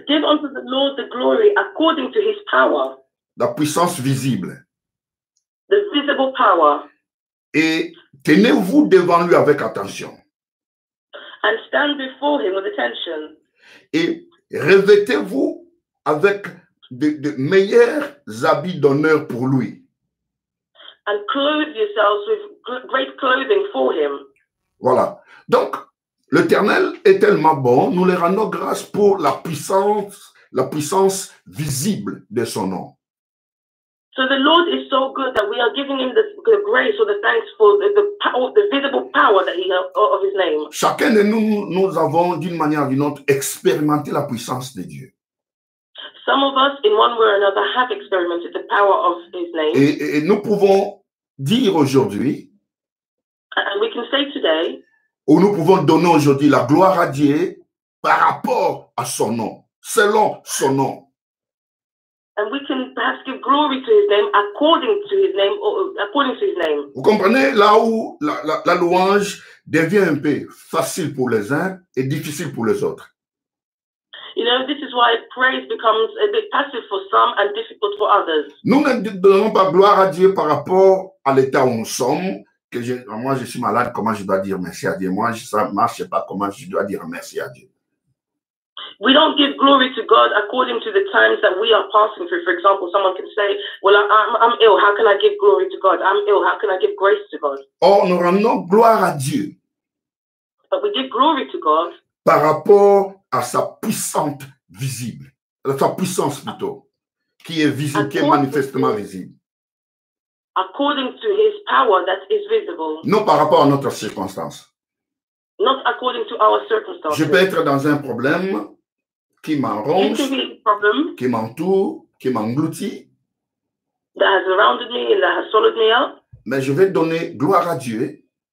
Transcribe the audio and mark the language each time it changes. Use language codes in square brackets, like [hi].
[en] Says, give unto the Lord the glory according to his power. [fr] La puissance visible. [en] The visible power. [fr] Et tenez-vous devant lui avec attention. [en] And stand before him with attention. [fr] Et revêtez-vous avec de meilleurs habits d'honneur pour lui. [en] And clothe yourselves with great clothing for him. [fr] Voilà. Donc, l'Éternel est tellement bon, nous le rendons grâce pour la puissance visible de son nom. [en] So the Lord is so good that we are giving him the grace or the thanks for the power, the visible power that he has of his name. [fr] Chacun de nous, nous avons d'une manière ou d'une autre expérimenté la puissance de Dieu. [en] Some of us, in one way or another, have experimented the power of his name. [fr] Et nous pouvons dire aujourd'hui, [en] and we can say today, [fr] ou nous pouvons donner aujourd'hui la gloire à Dieu par rapport à son nom, selon son nom. [en] And we can perhaps give glory to his name according to his name, or according to his name. [fr] Vous comprenez là où la louange devient un peu facile pour les uns et difficile pour les autres. [en] You know, this is why praise becomes a bit passive for some and difficult for others. [fr] Nous ne donnons pas gloire à Dieu par rapport à l'état où nous sommes. Moi, je suis malade, comment je dois dire merci à Dieu? Moi, ça ne marche pas, comment je dois dire merci à Dieu? [en] We don't give glory to God according to the times that we are passing through. For example, someone can say, well, I'm ill, how can I give glory to God? I'm ill, how can I give grace to God? [fr] Or, nous rendons gloire à Dieu. [en] But we give glory to God [fr] par rapport à sa puissance visible, à sa puissance plutôt, qui est visible, qui est manifestement visible. [en] According to his power that is visible. [fr] Non par rapport à notre circonstance. Non [en] not according to our circumstances. [fr] Je peux être dans un problème qui m'enronge, qui m'entoure, qui m'engloutit. [en] That has surrounded me and that has swallowed me up. [fr] Mais je vais donner gloire à Dieu.